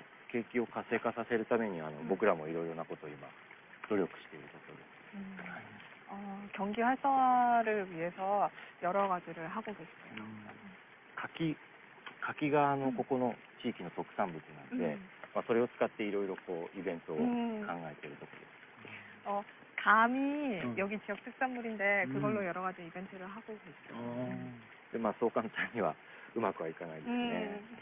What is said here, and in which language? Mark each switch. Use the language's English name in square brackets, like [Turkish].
[Japanese] 景気を活性化させるために、僕らもいろいろなことを今努力しているところです。 [Korean] 경기 활성화를 위해서 여러 가지를 하고 [Japanese] 柿がここの地域の特産物なんで、それを使っていろいろイベントを考えているところです。 [Korean] 감이 여기 지역 특산물인데 그걸로 여러 가지 이벤트를 하고 [Japanese] で、そう簡単にはうまくはいかないですね。